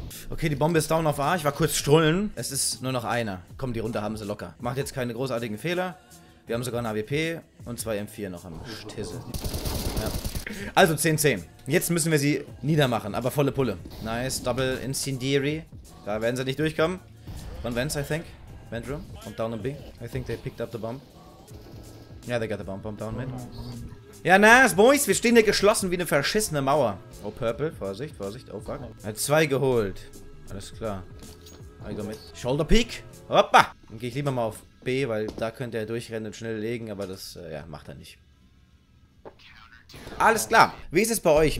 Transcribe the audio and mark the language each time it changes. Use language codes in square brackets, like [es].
[de] Okay, die Bombe ist down auf A. Ich war kurz strullen. Es ist nur noch einer. Komm, die runter haben sie locker. Macht jetzt keine großartigen Fehler. Wir haben sogar eine AWP und zwei M4 noch am Stisse. Ja. Also 10-10. Jetzt müssen wir sie niedermachen, aber volle Pulle. [en] Nice, double incendiary. [de] Da werden sie nicht durchkommen. [en] Von Vance, I think. Vendrum, bomb down on B. I think they picked up the bomb. Yeah, they got the bomb, bomb down mid. Ja, nice, boys. [de] Wir stehen hier geschlossen wie eine verschissene Mauer. Oh, Purple. Vorsicht, Vorsicht. [en] Oh, fuck. [de] Er hat zwei geholt. Alles klar. [en] I go mit. Shoulder peak. [de] Hoppa. Dann gehe ich lieber mal auf B, weil da könnte er durchrennen und schnell legen, aber das ja, macht er nicht. Alles klar. Wie ist es bei euch?